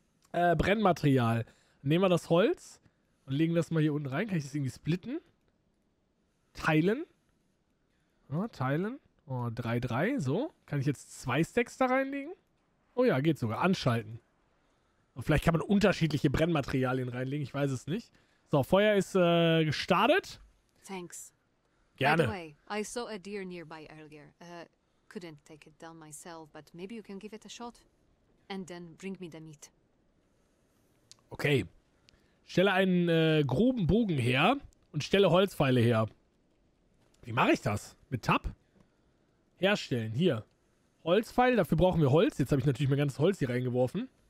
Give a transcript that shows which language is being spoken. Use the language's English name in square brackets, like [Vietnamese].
[German] Brennmaterial. Nehmen wir das Holz und legen das mal hier unten rein. Kann ich das irgendwie splitten? Teilen? Ja, teilen. Oh, 3-3, so. Kann ich jetzt zwei Stacks da reinlegen? Oh ja, geht sogar. Anschalten. Vielleicht kann man unterschiedliche Brennmaterialien reinlegen, ich weiß es nicht. So, Feuer ist gestartet. [English] Thanks. [German] Gerne. [English] By the way, I saw a deer nearby earlier. Couldn't take it down myself, but maybe you can give it a shot. And then bring me the meat. Okay. [German] Stelle einen groben Bogen her und stelle Holzpfeile her. Wie mache ich das? Mit Tab? Herstellen. Hier. Holzpfeil. Dafür brauchen wir Holz. Jetzt habe ich natürlich mein ganzes Holz hier reingeworfen.